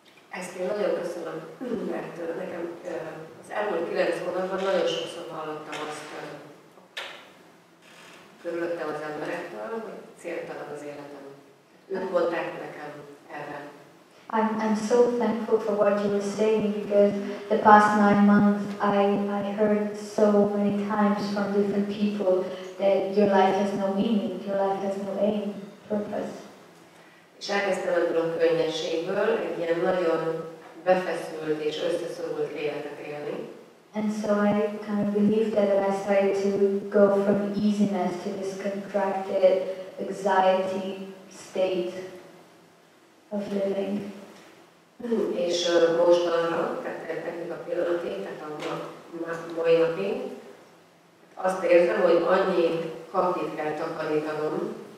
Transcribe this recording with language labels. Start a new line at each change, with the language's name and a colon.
Hungarian: Ezt én nagyon köszönöm, mert nekem az elmúlt 9 hónapban nagyon sokszor hallottam azt körülöttem az emberektől, hogy céltalan az életem. Ők mondták nekem erre.
English: I'm so thankful for what you were saying because the past 9 months I heard so many times from different people that your life has no meaning, your life has no aim, purpose.
Hungarian: És elkezdtem ebből a könnyességből egy ilyen nagyon befeszült és összeszorult életet élni.
English: And so I kind of believe that I started to go from easiness to this contracted anxiety state of living.
Hungarian: És most arra, tehát ennek a pillanatig, tehát a mai napig, azt érzem, hogy annyi kapit kell takarítanom,